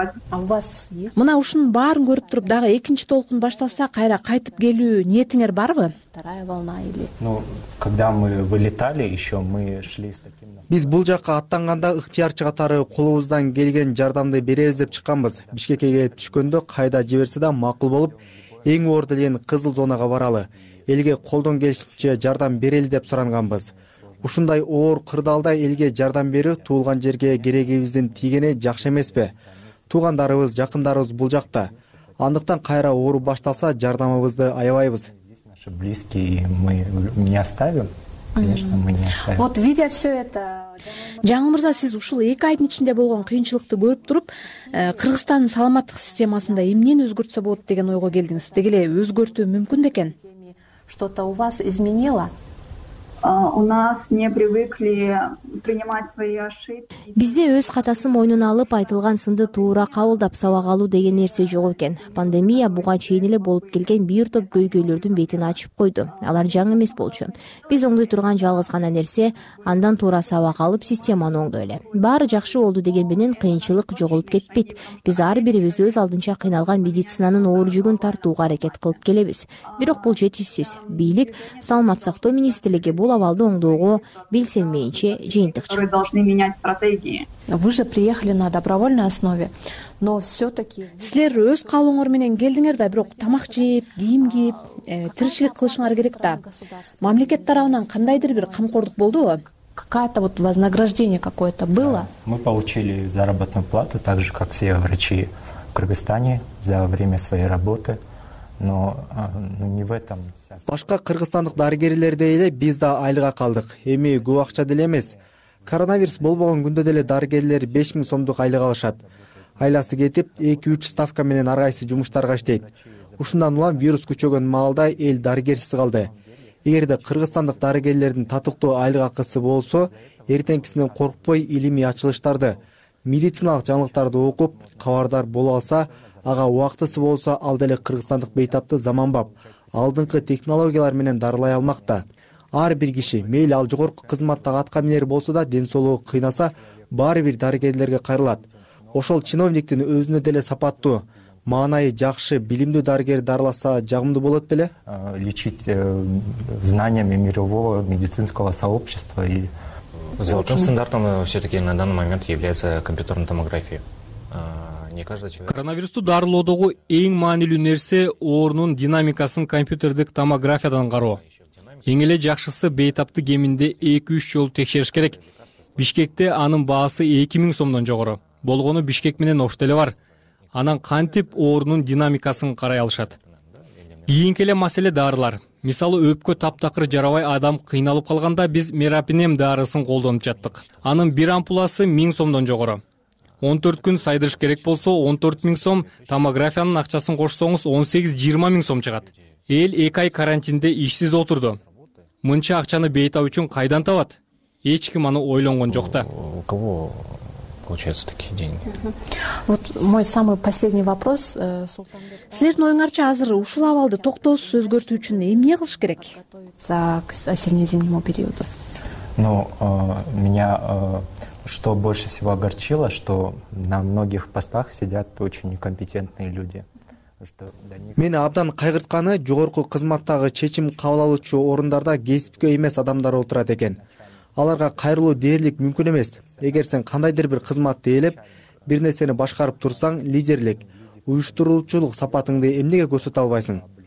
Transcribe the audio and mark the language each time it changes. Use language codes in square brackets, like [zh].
[ky] Мына ушунун баарын көрүп туруп, дагы экинчи толкун башталса, кайра кайтып келүү ниетиңер барбы? [ru] Ну, когда мы вылетали еще, мы шли с таким... [ky] Биз бул жакка аттанганда ыктыярчы катары колубуздан келген жардамды беребиз деп чыкканбыз. Бишкекке келип түшкөндө кайда жиберсе да макул болуп, эң оор деген кызыл зонага баралы. Элге колдон келишинче жардам берели деп суранганбыз. Ушундай оор кырдаалда элге жардам берүү туулган жерге керегибиздин тийгени жакшы эмеспи? Туугандарыбыз, жакындарыбыз бул жакта. Андыктан кайра оор башталса, жардамыбызды аябайбыз. [ru] Наши близкие мы не оставим. Конечно, мы не оставим. Вот видя все это. [ky] Жаңыл мырза, сиз ушул эки айдын ичинде болгон кыйынчылыкты көрүп туруп, Кыргызстандын саламаттык системасында эмнени өзгөртсө болот деген ойго келдиңиз? Деги эле өзгөртүү мүмкүн бекен? [ru] Что-то у вас изменило? У нас не привыкли принимать свои ошибки. [ky] Бизде өз катасын мойнуна алып айтылган сынды туура кабылдап сабак алуу деген нерсе жок экен. Пандемия буга чейин эле болуп келген бир топ көйгөйлөрдүн бетин ачып койду. Алар жаңы эмес болчу. Биз оңдой турган жалгыз гана нерсе андан туура сабак алып системаны оңдой эле. Баары жакшы болду деген менен кыйынчылык жоголуп кетпейт. Биз ар бирибиз өз алдынча кыйналган медицинанын оор жүгүн тартууга аракет кылып келебиз. Бирок бул жетишсиз. Бийлик саламат сактоо министрлиги бул абалды оңдоого белсенмейинче жыйынтык чыкты. [ru] Вы должны менять стратегии. Вы же приехали на добровольной основе. Но все-таки... [ky] Силер өз каалооңор менен келдиңер да, бирок тамак жеп, кийим кийип, тиричилик кылышыңар керек да. Мамлекет тарабынан кандайдыр бир камкордук болдубу? [ru] Какое-то вот вознаграждение какое-то было? Да. Мы получили заработную плату, так же, как все врачи в Кыргызстане за время своей работы. Но не в этом. [ky] Башка кыргызстандык дарыгерлердей эле биз да айлыга калдык. Эми көп акча деле эмес. Коронавирус болбогон күндө деле дарыгерлер 5000 сомдук айлык алышат. Айласы кетип, 2-3 ставка менен ар кайсы жумуштарга иштейт. Ушундан улам вирус күчөгөн маалда эл дарыгерсиз калды. Эгерде кыргызстандык дарыгерлердин татыктуу айлык акысы болсо, эртеңкисинен коркпой илимий ачылыштарды, медициналык жаңылыктарды окуп, кабардар боло алса, ага убактысы болсо, ал деле кыргызстандык бейтапты заманбап, алдыңкы технологиялар менен дарылай алмак да. Ар бир киши, мейли ал жогорку кызматтагы аткаминер болсо да, ден соолугу кыйнаса, баары бир дарыгерлерге кайрылат. Ошол чиновниктин өзүнө деле сапаттуу, маанайы жакшы, билимдүү дарыгер дарыласа жагымдуу болот беле? [ru] Лечить знаниями мирового медицинского сообщества. Золотым стандартом все-таки на данный момент является компьютерная томография. [ky] Коронавирусту дарылоодогу эң маанилүү нерсе оорунун динамикасын компьютердик томографиядан кароо. Эң эле жакшысы бейтапты кеминде 2-3 жолу текшериш керек. Бишкекте анын баасы 2000 сомдон жогору. Болгону Бишкек менен Ош деле бар. Анан кантип оорунун динамикасын карай алышат? Кийинки эле маселе дарылар. Мисалы, өпкө таптакыр жарабай адам кыйналып калганда биз мерапинем дарысын колдонуп жаттык. Анын бир ампуласы 1000 сомдон жогору. 14 күн сайдырыш керек болсо 14 миң сом, томографиянын акчасын кошсоңуз 18-20 миң сом чыгат. Эл 2 ай карантинде ишсиз отурду. Мынча акчаны бейтап үчүн кайдан табат? Эч ким аны ойлонгон жок да. [ru] У кого получается такие деньги? Вот мой самый последний вопрос, Султанбек. [ky] Силердин оюңарча азыр ушул абалды токтоосуз өзгөртүү үчүн эмне кылыш керек? [ru] К осенне-зимнему периоду. Ну, меня что больше всего огорчило, что на многих постах сидят очень некомпетентные люди. [ky] Мени абдан кайгыртканы жогорку кызматтагы чечим кабыл алуучу орундарда кесипке эмес адамдар отурат экен. Аларга кайрылуу дээрлик мүмкүн эмес. Эгер сен кандайдыр бир кызматты ээлеп, бир нерсени башкарып турсаң, лидерлик, уюштуруучулук сапатыңды эмнеге көрсөтө албайсың?